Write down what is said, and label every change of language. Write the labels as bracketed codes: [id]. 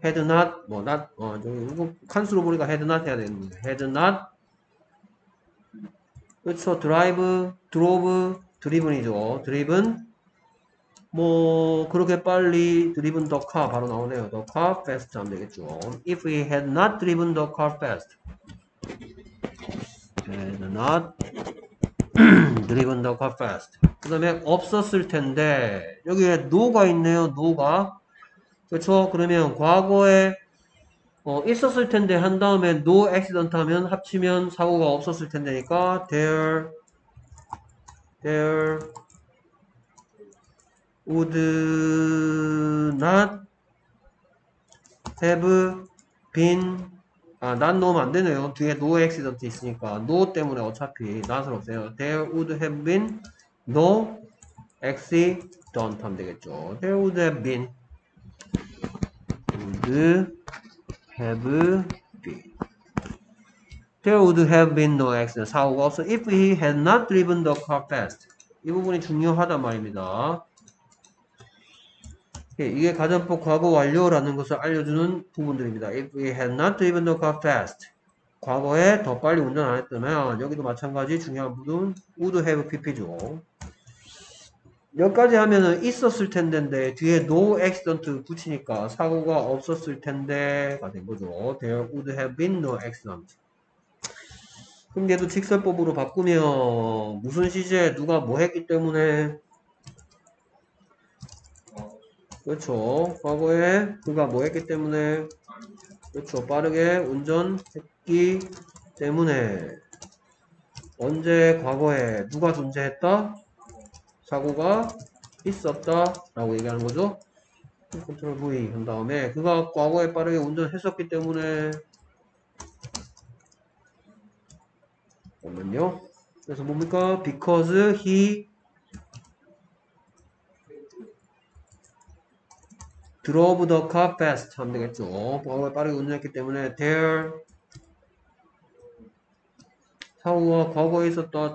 [en] had not [ko] 뭐 not 어 저기 이거 칸수로 보니까 had not 해야 되는 거예요. had not 그렇죠. 드라이브, 드로브, 드리븐이죠. 드리븐. 뭐 그렇게 빨리 드리븐 더카 바로 나오네요. 더카 패스트 하면 되겠죠. [en] If we had not driven the car fast, had not driven the car fast. [ko] 그 다음에 없었을 텐데 여기에 no가 있네요. no가. 그렇죠. 그러면 과거에 있었을 텐데 한 다음에 [en] no accident [ko] 하면 합치면 사고가 없었을 텐데니까 [en] there would not have been [ko] 난 너무 안 되네요. 뒤에 [en] no accident [ko] 있으니까 no 때문에 어차피 not으로 없어요. [en] There would have been no accident [ko] 하면 되겠죠. [en] There would have been would have been there would have been no accident [ko] 사고가 없어 [en] if he had not driven the car fast 이 부분이 중요하단 말입니다. [ko] 이게 가정법 과거 완료라는 것을 알려주는 부분들입니다. [en] If we had not driven the car fast, [ko] 과거에 더 빨리 운전 안 했다면 여기도 마찬가지 중요한 부분 [en] would have PP죠. [ko] 여기까지 하면은 있었을 텐데 뒤에 no accident 붙이니까 사고가 없었을 텐데가 된 거죠. [en] There would have been no accident. [ko] 그럼 얘도 직설법으로 바꾸면 무슨 시제 누가 뭐 했기 때문에 그렇죠. 과거에 그가 뭐 했기 때문에 그렇죠. 빠르게 운전했기 때문에 언제 과거에 누가 존재했다? 사고가 있었다라고 얘기하는 거죠. 컨트롤 V 한 다음에 그가 과거에 빠르게 운전했었기 때문에 잠깐만요. 그래서 뭡니까? [en] Because he drove the car fast [ko] 하면 되겠죠. 과거에 빠르게 운전했기 때문에 [en] there [ko] 사고가 과거에 있었다.